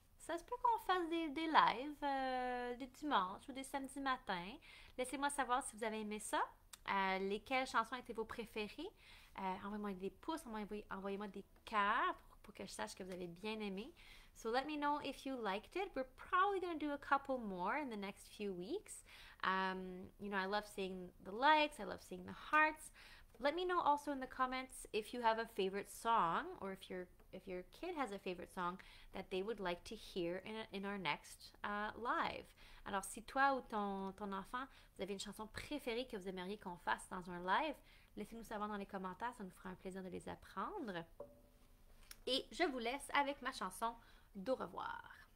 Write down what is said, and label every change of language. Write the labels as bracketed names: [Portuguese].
[French] Ça se peut qu'on fasse des lives des dimanches ou des samedis matins. Laissez-moi savoir si vous avez aimé ça. Lesquelles chansons étaient vos préférées? Envoyez-moi des pouces, envoyez-moi des cœurs pour que je sache que vous avez bien aimé. [English] So let me know if you liked it. We're probably going to do a couple more in the next few weeks. You know, I love seeing the likes, I love seeing the hearts. Let me know also in the comments if you have a favorite song or if your kid has a favorite song that they would like to hear in our next live. [French] Alors, si toi ou ton enfant, vous avez une chanson préférée que vous aimeriez qu'on fasse dans un live, laissez-nous savoir dans les commentaires, ça nous fera un plaisir de les apprendre. Et je vous laisse avec ma chanson d'au revoir.